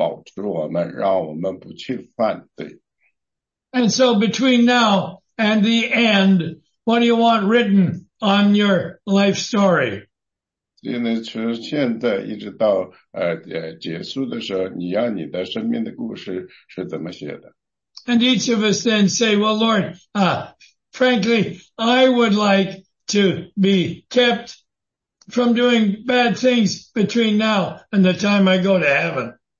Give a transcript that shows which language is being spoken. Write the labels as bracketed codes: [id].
[zh] 这个呢,如果他能够就是说是去饶恕我们犯过的罪,他同样呢,也能够保持我们,让我们不去犯罪。 [en] And so between now and the end, what do you want written on your life story? [zh] 所以呢,从现在一直到结束的时候,你要你的生命的故事是怎么写的? [en] And each of us then say, well, Lord, frankly, I would like to be kept from doing bad things between now and the time I go to heaven.